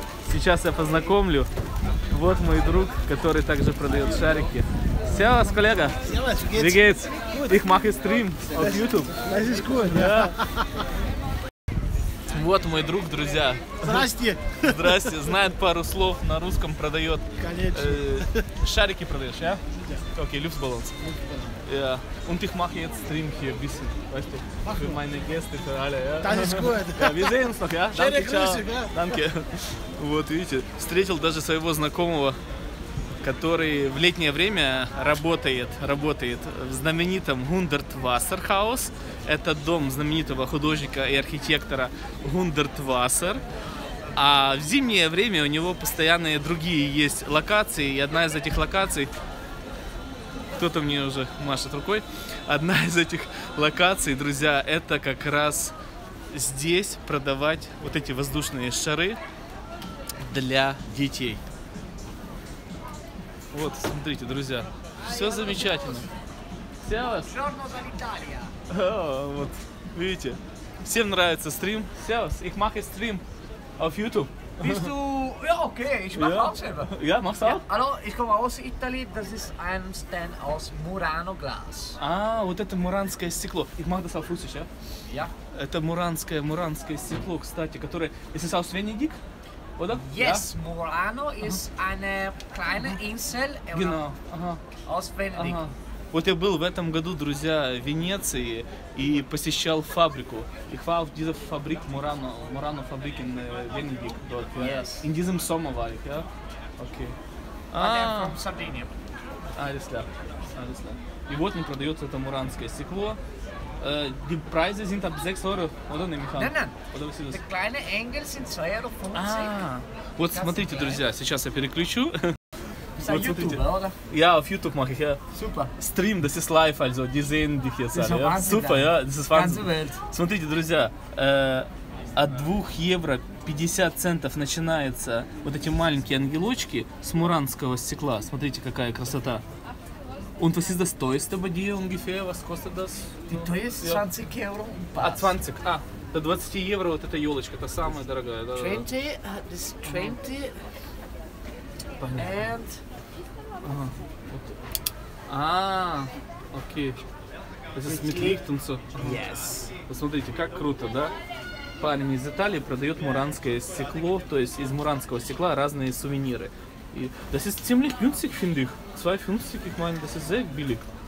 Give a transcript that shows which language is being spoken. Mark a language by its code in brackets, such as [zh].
[ru] Сейчас я познакомлю. Вот мой друг, который также продает шарики. Сервус, коллега. Привет. [de] Их махи стрим от YouTube. [ru] Вот мой друг, друзья. Здрасте. Здрасте. Знает пару слов на русском, продает. Конечно. Шарики продаешь, я? Окей, люфт баланс. [de] Und ich mache jetzt Stream hier ein bisschen, weißt du, für meine Gäste, für alle, ja? Das ist gut. Ja, wir sehen uns noch, ja? Schöne Grüße, ciao. Ja. Danke. [ru] Вот, видите, встретил даже своего знакомого, который в летнее время работает в знаменитом Hundertwasserhaus. Это дом знаменитого художника и архитектора Hundertwasser. А в зимнее время у него постоянные другие есть локации, и одна из этих локаций... Кто-то мне уже машет рукой. Одна из этих локаций, друзья, это как раз здесь продавать вот эти воздушные шары для детей. Вот, смотрите, друзья, все замечательно. Сервус. Черно за Италия. Вот, видите, всем нравится стрим. Сервус, [de] их махи стрим of YouTube. Bist du... Ja, okay, ich mach auch selber. Ja, machst du auch? Hallo, ich komme aus Italien, das ist ein Stein aus Murano-Glas. [ru] Ah, вот это муранское стекло. [de] Ich mach das auf Russisch, ja? Ja. [ru] Это муранское стекло, кстати, которое... [de] Ist es aus Venedig? Oder? [en] Yes, ja. [de] Murano ist eine kleine Insel. Genau. Aus Venedig. Aha. [ru] Вот я был в этом году, друзья, в Венеции и посещал фабрику. [de] Ich war auf dieser Fabrik Murano, Murano Fabrik in Venedig dort. [en] Yes. [de] In diesem Sommer war ich, ja? Okay. [en] Ah. I'm from Sardinia. [de] Alles klar. Alles klar. [ru] И вот он продается это муранское стекло. [de] Die Preise sind ab 6 Euro, oder? Nein, nein. Oder was ist das? Die kleinen Engel sind 2,50 Euro. Ah. [ru] Вот смотрите, друзья, сейчас я переключу. Вот YouTube, смотрите, я в [de] YouTube mache ich, ja. Super. Stream, das ist live, also, die sehen dich jetzt alle, ja. Super, ja, das ist Wahnsinn. [ru] Смотрите, друзья, от 2 евро 50 центов начинаются вот эти маленькие ангелочки с муранского стекла. Смотрите, какая красота. [de] Und was ist das teuerste bei dir ungefähr? Was kostet das? Die teuerste, ja. 20 Euro und passt. [ru] Ah, 20, ah, до 20 евро вот эта елочка, это самая дорогая, да. [de] 20, das ist 20. [ru] Ага. Окей. Это смекрит он все. [en] Yes. [ru] Посмотрите, как круто, да? Парень из Италии продает муранское стекло, то есть из муранского стекла разные сувениры. [de] И das ist ziemlich günstig, finde ich. 2,50, ich meine, das ist sehr billig.